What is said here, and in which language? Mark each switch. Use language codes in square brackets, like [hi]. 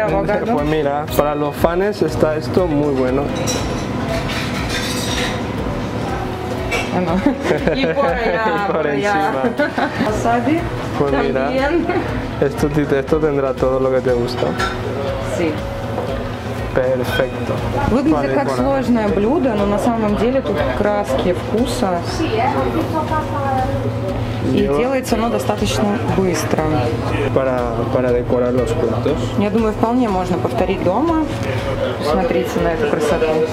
[es] pues mira, para los fans está esto muy bueno. Bueno. Y por encima. Pues mira, esto tendrá todo lo que te gusta. Sí. perfecto. [ru] Выглядит как сложное блюдо, но на самом деле тут краски вкуса. И делается оно достаточно быстро. [es] Para decorar los platos. [ru] Я думаю, вполне можно повторить дома. Смотрите на эту красоту.